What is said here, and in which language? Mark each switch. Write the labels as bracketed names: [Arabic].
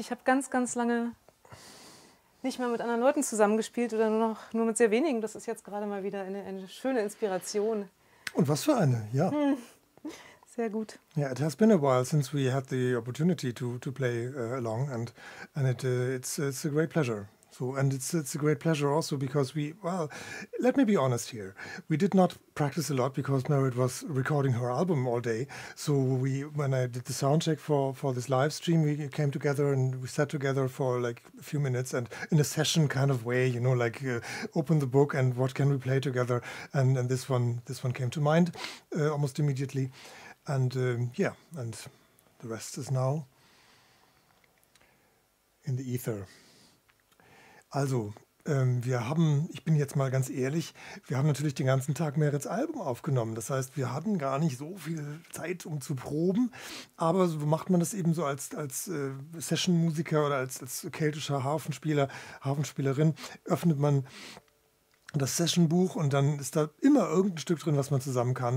[German] Ich habe ganz, ganz lange nicht mehr mit anderen Leuten zusammengespielt oder nur mit sehr wenigen. Das ist jetzt gerade mal wieder eine schöne Inspiration. Und was für eine, ja. Sehr gut. [English] Yeah, it has been a while since we had the opportunity to play along and it's a great pleasure. So, and it's a great pleasure also because we, well, let me be honest here. We did not practice a lot because Merit was recording her album all day. So we, when I did the sound check for this live stream, we came together and we sat together for like a few minutes and in a session kind of way, you know, like open the book and what can we play together? And this one came to mind almost immediately. And yeah, and the rest is now in the ether. [German] Also, ich bin jetzt mal ganz ehrlich, wir haben natürlich den ganzen Tag Merits Album aufgenommen. Das heißt, wir hatten gar nicht so viel Zeit, um zu proben. Aber so macht man das eben so als Session-Musiker oder als keltischer Harfenspieler, Harfenspielerin, öffnet man das Session-Buch und dann ist da immer irgendein Stück drin, was man zusammen kann.